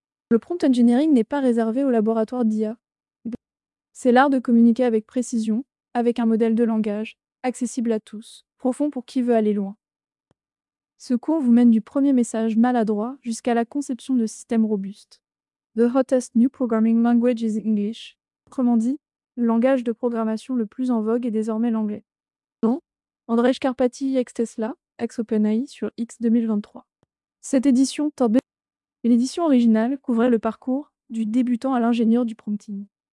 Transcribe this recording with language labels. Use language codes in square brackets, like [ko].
[fr] Le prompt engineering n'est pas réservé au laboratoire d'IA. C'est l'art de communiquer avec précision, avec un modèle de langage, accessible à tous, profond pour qui veut aller loin. Ce cours vous mène du premier message maladroit jusqu'à la conception de systèmes robustes. [en] The hottest new programming language is English. [fr] Autrement dit, le langage de programmation le plus en vogue est désormais l'anglais. Bon, André Scarpati, ex-Tesla, ex-OpenAI sur X 2023. Cette édition, l'édition originale, couvrait le parcours du débutant à l'ingénieur du prompting.